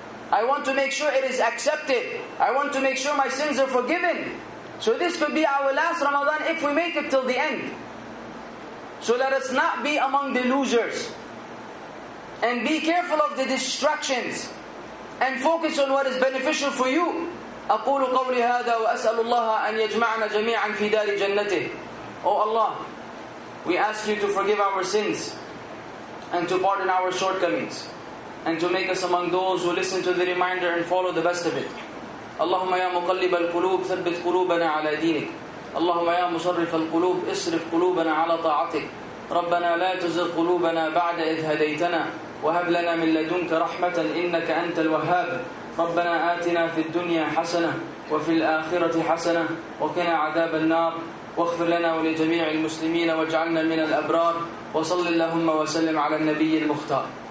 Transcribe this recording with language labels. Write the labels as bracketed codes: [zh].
[en] I want to make sure it is accepted. I want to make sure my sins are forgiven. So this could be our last Ramadan if we make it till the end. So let us not be among the losers. And be careful of the distractions. And focus on what is beneficial for you. [ar] أقول قولي هذا وأسأل الله أن يجمعنا جميعا في دار جنته. [en] Oh Allah, we ask you to forgive our sins and to pardon our shortcomings and to make us among those who listen to the reminder and follow the best of it. [ar] اللهم يا مقلب القلوب ثبت قلوبنا على دينك. اللهم يا مصرف القلوب اصرف قلوبنا على طاعتك. ربنا لا تزغ قلوبنا بعد إذ هديتنا وهب لنا من لدنك رحمة إنك أنت الوهاب. ربنا آتنا في الدنيا حسنة وفي الآخرة حسنة وقنا عذاب النار واغفر لنا ولجميع المسلمين واجعلنا من الأبرار وصل اللهم وسلم على النبي المختار.